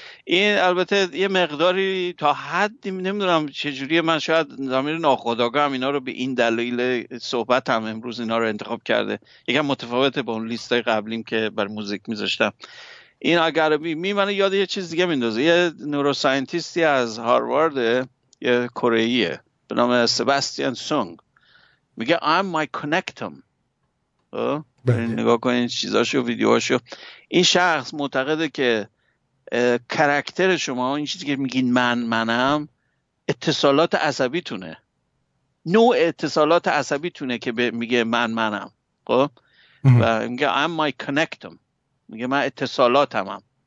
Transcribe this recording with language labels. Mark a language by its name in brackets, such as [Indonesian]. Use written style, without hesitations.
[Persian] این البته یه مقداری تا حدی نمیدونم چجوریه، من شاید ضمیر ناخودآگاه هم اینا رو به این دلایل صحبتم امروز اینا رو انتخاب کرده، یکم متفاوته با اون لیستای قبلیم که بر موزیک میذاشتم. این اگر می منو یاد یه چیز دیگه میندازه، یه نوروساینتیستی از هاروارد، یه کره‌ایه به نام سباستین سونگ، [English] میگه I'm my connectum. [Persian] برین نگاه کنین چیزاشو ویدیوهاشو. این شخص معتقده که کاراکتر شما، این چیزی که میگین منم، اتصالات عصبی تونه، نوع اتصالات عصبی تونه که میگه منم. خب و میگه [English] I'm my connectum، [Persian] میگه من اتصالاتم هم.